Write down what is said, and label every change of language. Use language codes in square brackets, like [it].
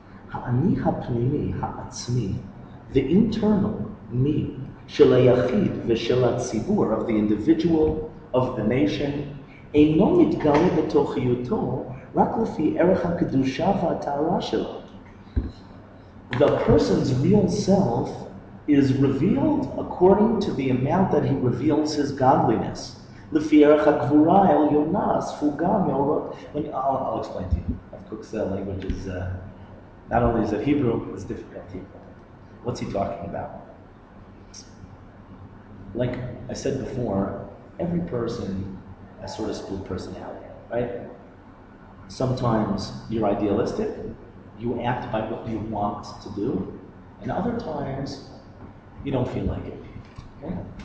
[he] Ha'ani ha'pnimi ha'atzmi, [en] the internal me, [he] shel ha'yachid v'shel ha'tzibur, [en] of the individual, of the nation, [he] אינו מתגלה בתוכיותו רק לפי ערך הקדושה והטהרה שלו. [en] The person's real self is revealed according to the amount that he reveals his godliness. [he] לפי ערך הגבורה העליונה, ספוגה מאורות. [en] I'll explain to you. Rav Kook's language is, not only is it Hebrew, it's difficult Hebrew. What's he talking about? Like I said before, every person a sort of split personality, right? Sometimes you're idealistic, you act by what you want to do, and other times you don't feel like it. Okay?